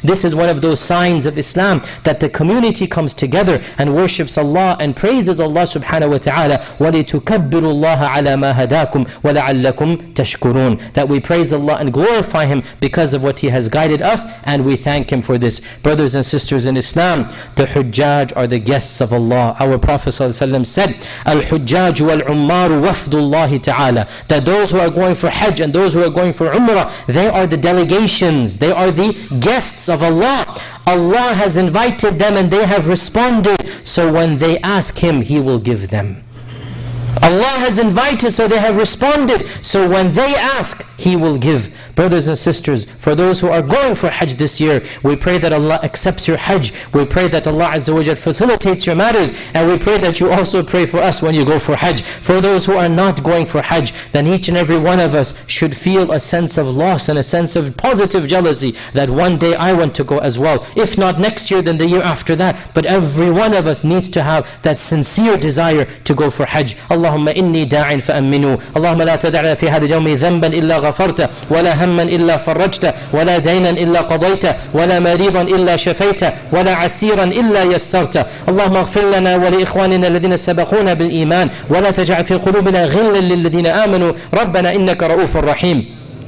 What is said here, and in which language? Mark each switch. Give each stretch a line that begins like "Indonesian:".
English: This is one of those signs of Islam, that the community comes together and worships Allah and praises Allah subhanahu wa ta'ala.
Arabic: وَلِتُكَبِّرُ اللَّهَ عَلَى مَا هَدَاكُمْ وَلَعَلَّكُمْ تَشْكُرُونَ.
English: That we praise Allah and glorify Him because of what He has guided us, and we thank Him for this. Brothers and sisters in Islam, the Hujjaj are the guests of Allah. Our Prophet ﷺ said,
Arabic: الحجاج والعمار وفد الله تعالى.
English: That those who are going for Hajj and those who are going for Umrah, they are the delegations, they are the guests of Allah. Allah has invited them and they have responded. So when they ask Him, He will give them. Allah has invited, so they have responded. So when they ask, He will give. Brothers and sisters, for those who are going for Hajj this year, we pray that Allah accepts your Hajj. We pray that Allah Azza wa Jal facilitates your matters. And we pray that you also pray for us when you go for Hajj. For those who are not going for Hajj, then each and every one of us should feel a sense of loss and a sense of positive jealousy that one day I want to go as well. If not next year, then the year after that. But every one of us needs to have that sincere desire to go for Hajj.
Arabic: اللهم إني داع فأمنوا اللهم لا تدع في هذا اليوم ذنبا إلا غفرت ولا هما إلا فرجت ولا دينا إلا قضيت ولا مريضا إلا شفيت ولا عسيرا إلا يسرت اللهم اغفر لنا ولإخواننا الذين سبقونا بالإيمان ولا تجعل في قلوبنا غلا للذين آمنوا ربنا إنك رؤوف رحيم